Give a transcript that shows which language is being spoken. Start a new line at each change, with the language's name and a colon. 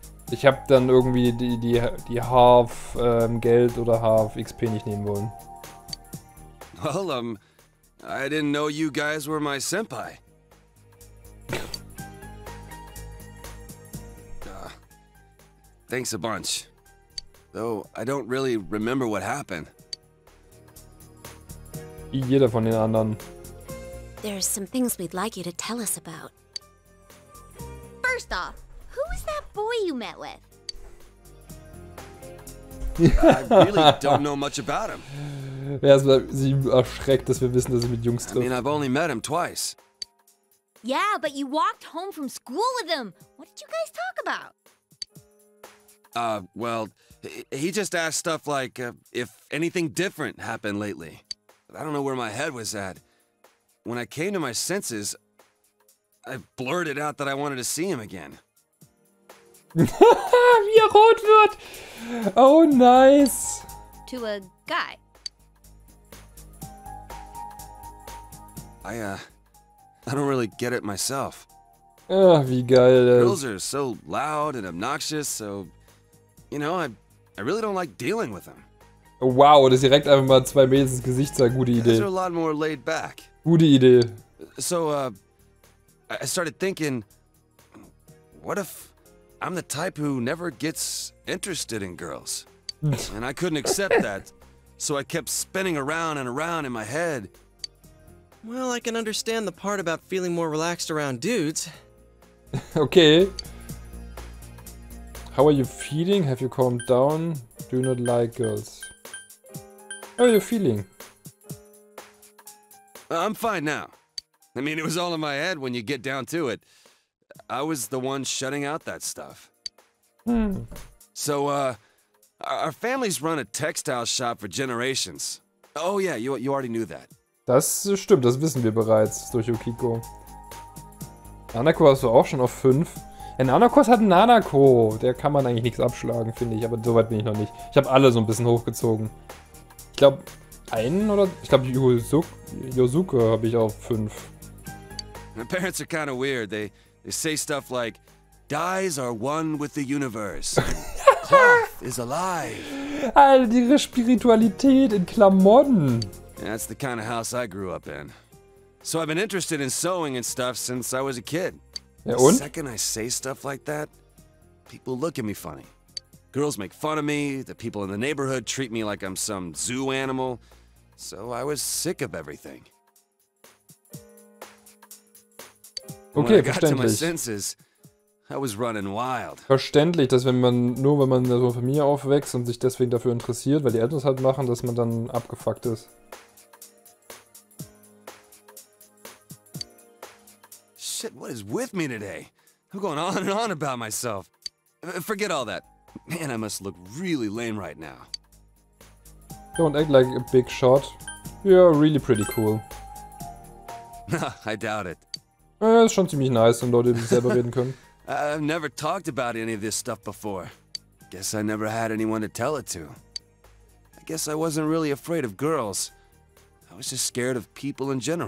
German: Ich habe dann irgendwie die Half Geld oder Half XP nicht nehmen wollen.
English: Well, I didn't know you guys were my senpai. Thanks a bunch. Though, I don't really remember what happened.
German: Jeder von den anderen.
English: There's some things we'd like you to tell us about. First off, who was that boy you met with? I really don't know much about him.
German: Erstmal, sie erschreckt, dass wir wissen, dass sie mit Jungs trifft.
English: I mean, I've only met him twice. Yeah, but you walked home from school with him. What did you guys talk about? Well, he just asked stuff like if anything different happened lately. I don't know where my head was at. When I came to my senses, I blurted out that I wanted to see him again.
German: Wie er rot wird!
English: Oh, nice! To a guy. I don't really get it myself.
German: Ugh, wie geil.
English: Girls are so loud and obnoxious, so, you know, I really don't like dealing with them.
German: Wow, das direkt einfach mal zwei Mädels ins Gesicht sagen, gute Idee.
English: Are a lot more laid back.
German: Gute Idee.
English: So, I started thinking, what if I'm the type who never gets interested in girls? And I couldn't accept that, so I kept spinning around and around in my head. Well, I can understand the part about feeling more relaxed around dudes. Okay. How are you feeling? Have you calmed down? Do you not like girls? How are you feeling? I'm fine now. I mean, it was all in my head when you get down to it. I was the one shutting out that stuff. Hmm. So, our family's run a textile shop for generations. Oh yeah, you already knew that.
German: Das stimmt, das wissen wir bereits durch Yukiko. Nanako hast du auch schon auf 5. Ja, Nanako hat Nanako. Der kann man eigentlich nichts abschlagen, finde ich. Aber soweit bin ich noch nicht. Ich habe alle so ein bisschen hochgezogen. Ich glaube, einen oder... Ich glaube, Yosuke habe ich auf 5.
English: My parents are kind of weird. They say stuff like, dyes are one with the universe. Cloth is alive.
German: Alter, ihre Spiritualität in Klamotten.
English: Yeah, that's the kind of house I grew up in. So I've been interested in sewing and stuff since I was a kid.
German: Ja, und?
English: The second I say stuff like that, people look at me funny. Girls make fun of me, the people in the neighborhood treat me like I'm some zoo animal. So I was sick of everything. Okay, when I got to my senses, I was running wild.
German: Verständlich, dass wenn man in so einer Familie aufwächst und sich deswegen dafür interessiert, weil die Eltern es halt machen, dass man dann abgefuckt ist.
English: Shit, what is with me today? I'm going on and on about myself. Forget all that. Man, I must look really lame right now. Don't act like a big shot. You're really pretty cool. I doubt it.
German: Ja, ist schon ziemlich nice, wenn Leute mit selber reden können.
English: I've never talked about any of this stuff before. Guess I never had anyone to tell it to. I guess I wasn't really afraid of girls. I was just scared of people in general.